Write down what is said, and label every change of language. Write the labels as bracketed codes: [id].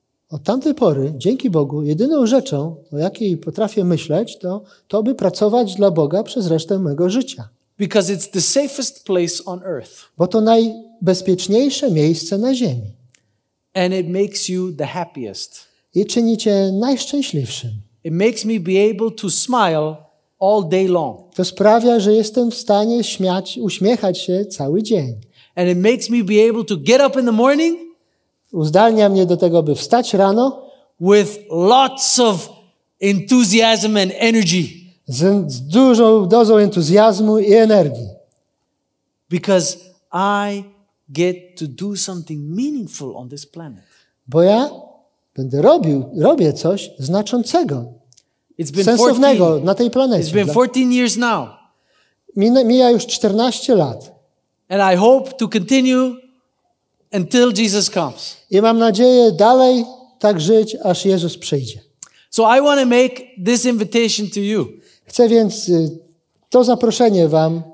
[pl] Od tamtej pory, dzięki Bogu, jedyną rzeczą, o jakiej potrafię myśleć, to by pracować dla Boga przez resztę mojego życia. [en] Because it's the safest place on earth. [pl] Bo to najbezpieczniejsze miejsce na ziemi. [en] And it makes you the happiest. [pl] I czyni cię najszczęśliwszym. [en] It makes me be able to smile all day long. [pl] To sprawia, że jestem w stanie uśmiechać się cały dzień. [en] And it makes me be able to get up in the morning. [pl] Uzdalnia mnie do tego, by wstać rano. [en] With lots of enthusiasm and energy. [pl] Z dużą dozą entuzjazmu i energii. [en] Because I get to do something meaningful on this planet. [pl] Bo ja będę robię coś znaczącego. [en] It's been [pl] sensownego 14, na tej planecie. [en] It's been 14 years now. [pl] Mija już 14 lat. [en] And I hope to continue until Jesus comes. [pl] I mam nadzieję dalej tak żyć, aż Jezus przyjdzie. [en] So I want to make this invitation to you. [pl] Chcę więc to zaproszenie wam